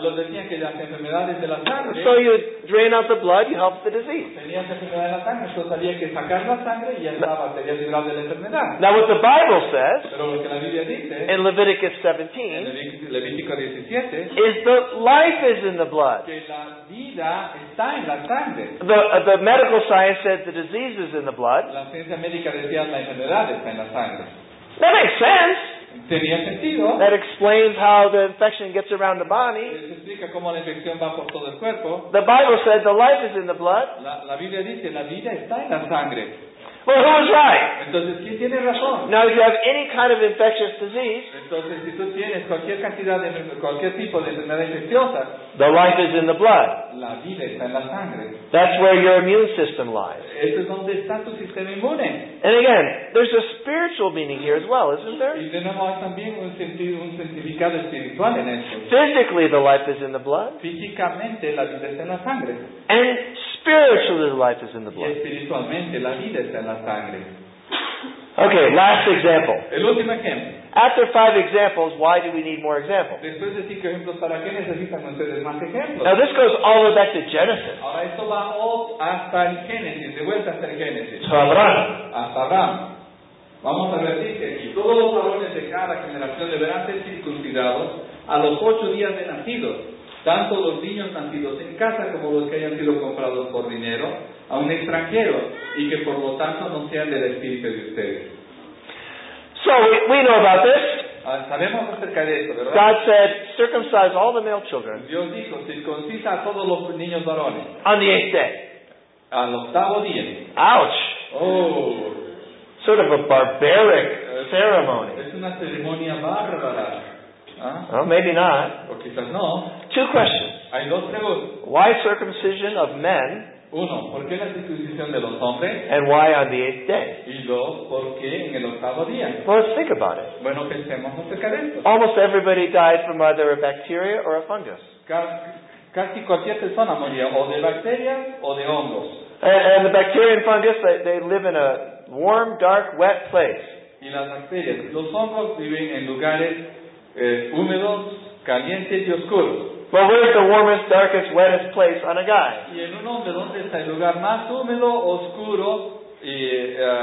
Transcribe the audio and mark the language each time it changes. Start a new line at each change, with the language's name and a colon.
Spanish: Lo decían que las enfermedades de la sangre.
English: So you drain out the blood, you help the disease.
Spanish: Tenías enfermedad en la sangre, entonces había que sacar la sangre y ya estaba de la enfermedad.
English: Now what the Bible says,
Spanish: pero lo que la Biblia dice,
English: in Leviticus 17.
Spanish: Levítico 17,
English: is the life is in the blood.
Spanish: Que la vida está en la sangre.
English: The medical science said the disease is in the blood.
Spanish: La ciencia médica decía la enfermedad está en la sangre.
English: That makes sense.
Spanish: Tenía sentido.
English: That explains how the infection gets around the body.
Spanish: Se explica cómo la infección va por todo el cuerpo.
English: The Bible said the life is in the blood.
Spanish: La Biblia dice la vida está en la sangre.
English: Well, who was right?
Spanish: Entonces, ¿quién tiene razón?
English: Now, if you have any kind of infectious disease,
Spanish: entonces, si tú tienes cualquier cantidad de, cualquier tipo de enfermedad infecciosa,
English: the life is in the blood.
Spanish: La vida está en la sangre.
English: That's where your immune system lies.
Spanish: Eso es donde está tu sistema inmune.
English: And again, there's a spiritual meaning here as well, isn't there?
Spanish: Y tenemos también un significado espiritual en esto.
English: Physically, the life is in the blood.
Spanish: Físicamente, la vida está en la sangre.
English: And spiritually, the life is in the blood.
Spanish: Espiritualmente, la vida está en la sangre.
English: Okay, last example.
Spanish: El último ejemplo.
English: After five examples, why do we need more examples?
Spanish: Después de cinco ejemplos, ¿para qué necesitan ustedes más ejemplos?
English: Now this goes all the way back to Genesis.
Spanish: Ahora esto va all hasta el Génesis, de vuelta hasta el Génesis. Hasta Abraham. Vamos a ver, dice, y todos los varones de cada generación deberán ser circuncidados a los 8 días de nacidos. Tanto los niños nacidos en casa como los que hayan sido comprados por dinero a un extranjero y que por lo tanto no sean del estirpe de ustedes.
English: So we know about this.
Spanish: Sabemos acerca de esto, ¿verdad?
English: God said, circumcise all the male children.
Spanish: Dios dijo, circuncisa a todos los niños varones.
English: On the 8th day.
Spanish: Al octavo día.
English: Ouch. Oh. Sort of a barbaric ceremony.
Spanish: Es una ceremonia bárbara.
English: Huh? Well, maybe not.
Spanish: Or quizás no.
English: Two questions.
Spanish: Hay dos preguntas.
English: Why circumcision of men?
Spanish: Uno, ¿por qué la circuncisión de los hombres?
English: And why on the 8th day?
Spanish: Y dos, ¿por qué en el octavo día?
English: Well, let's think about it.
Spanish: Bueno, pensemos acerca de esto.
English: Almost everybody died from either a bacteria or a fungus.
Spanish: Casi cualquier persona moría o de bacterias o de hongos.
English: And the bacteria and fungus, they live in a warm, dark, wet place.
Spanish: Y las bacterias, los hongos viven en lugares húmedos, calientes y oscuros.
English: But where's the warmest, darkest, wettest place on a guy?
Spanish: Y en un hombre, ¿dónde está el lugar más húmedo, oscuro y